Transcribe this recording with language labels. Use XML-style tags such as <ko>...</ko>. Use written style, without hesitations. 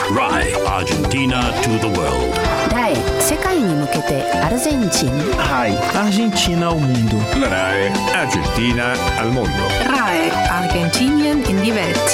<en>Rai, Argentina to the world.</en> <ja>Rai, 世界に向けてアルゼンチン。</ja> <es>Rai, Argentina al mundo. Rai, Argentina al mundo.</es> <en>Rai, Argentinian in the world.</en>